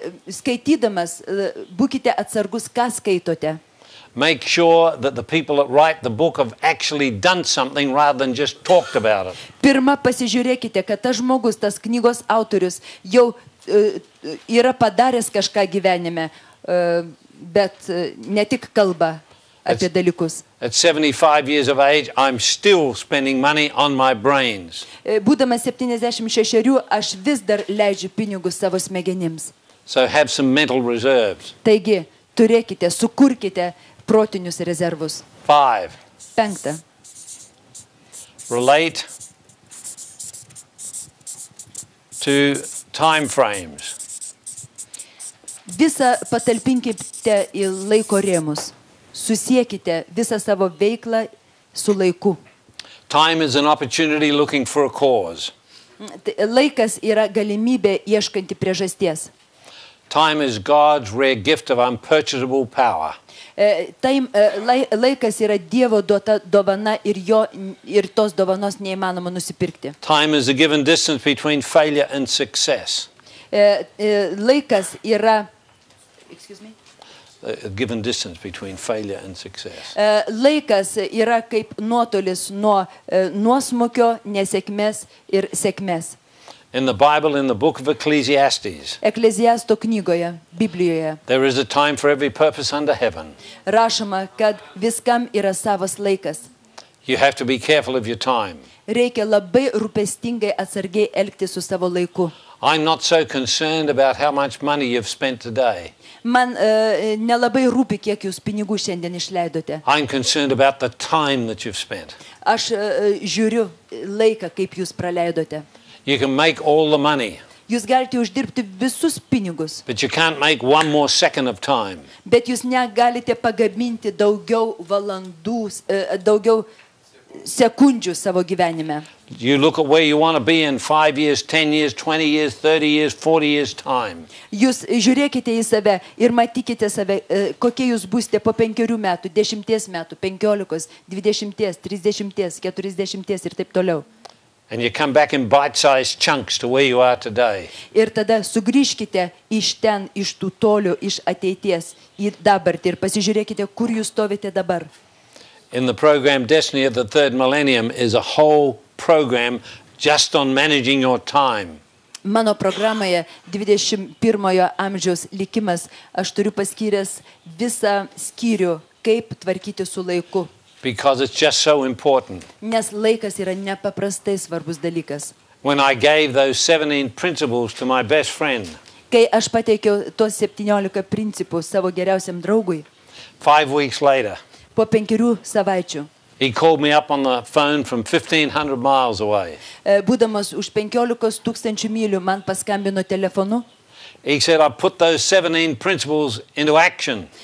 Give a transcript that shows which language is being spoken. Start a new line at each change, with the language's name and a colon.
Lithuanian: Skaitydamas, būkite atsargus, ką skaitote.
English: Make sure that the people that write the book have actually done something rather than just talked about it.
Lithuanian: Pirma pasižiūrėkite, kad tas žmogus, tas knygos autorius jau yra padaręs kažką gyvenime, bet ne tik kalba apie dalykus.
English: At 75 years of age, I'm still spending money on my brains.
Lithuanian: Būdamas 76, aš vis dar leidžiu pinigus savo smegenims.
English: So have some mental reserves.
Lithuanian: Taigi, turėkite, sukurkite protinius rezervus.
English: 5.
Lithuanian: Penkta.
English: Relate to time frames.
Lithuanian: Visą patalpinkite į laiko rėmus. Susiekite visą savo veiklą su laiku.
English: Time is an opportunity looking for a cause.
Lithuanian: Laikas yra galimybė ieškanti priežasties.
English: Time is God's rare gift of unpurchasable power.
Lithuanian: Laikas yra Dievo duota dovana ir jo ir tos dovanos neįmanoma nusipirkti.
English: Time is a given distance between failure and success.
Lithuanian: Laikas yra
English: A given distance between failure and success.
Lithuanian: Laikas yra kaip nuotolis nuo nuosmukio, nesėkmės ir sėkmės.
English: In the Bible, in the book of Ecclesiastes.
Lithuanian: Ekleziasto knygoje, Biblijoje.
English: There is a time for every purpose under heaven.
Lithuanian: Rašoma, kad viskam yra savas laikas.
English: You have to be careful of your time.
Lithuanian: Reikia labai rūpestingai atsargiai elgtis su savo laiku.
English: I'm not so concerned about how much money you've spent today.
Lithuanian: Man nelabai rūpi, kiek jūs pinigų šiandien išleidote.
English: I'm concerned about the time that you've spent.
Lithuanian: Aš žiūriu laiką, kaip jūs praleidote.
English: You can make all the money.
Lithuanian: Jūs galite uždirbti visus pinigus.
English: But you can't make one more second of time.
Lithuanian: Bet jūs negalite pagaminti daugiau valandų, daugiau sekundžių savo gyvenime.
English: You look at where you want to be in 5 years, 10 years, 20 years, 30 years, 40 years time.
Lithuanian: Jūs žiūrėkite į save ir matykite save, kokie jūs būsite po 5 metų, 10 metų, 15, 20, 30, 40 ir taip toliau.
English: And you come back in bite-sized chunks to where you are today.
Lithuanian: Ir tada sugrįžkite iš ten, iš tų tolių, iš ateities į dabartį ir pasižiūrėkite, kur jūs stovite dabar.
English: In the program Destiny of the Third Millennium is a whole program just on managing your time.
Lithuanian: Mano programoje 21 amžiaus likimas aš turiu paskyręs visą skyrių kaip tvarkyti su laiku.
English: Because it's just so important.
Lithuanian: Nes laikas yra nepaprastai svarbus dalykas.
English: When I gave those 17 principles to my best friend.
Lithuanian: Kai aš pateikiau tuos 17 principų savo geriausiam draugui.
English: 5 weeks later.
Lithuanian: Po 5 savaičių.
English: He called me up on the phone from 1500 miles away.
Lithuanian: Būdamas už 15,000 mylių man paskambino telefonu.
English: He said I put those 17 principles into action.